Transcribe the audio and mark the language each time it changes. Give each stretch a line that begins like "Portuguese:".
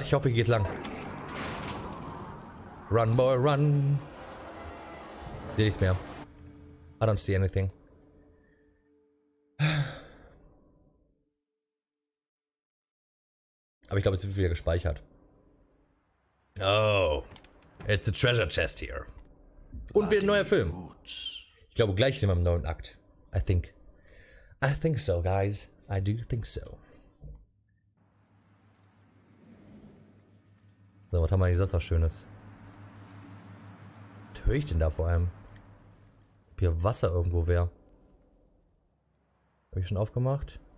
German: Ich hoffe, hier geht lang.
English: Run, boy, run.
German: Sehe nichts mehr.
English: I don't see anything.
German: Aber ich glaube, es wird wieder gespeichert.
English: Oh, it's a treasure chest here.
German: Und wieder ein neuer Film. Ich glaube, gleich sind wir im neuen Akt.
English: I think so, guys. I do think so.
German: So, was haben wir hier sonst noch Schönes? Was höre ich denn da vor allem? Ob hier Wasser irgendwo wäre. Habe ich schon aufgemacht?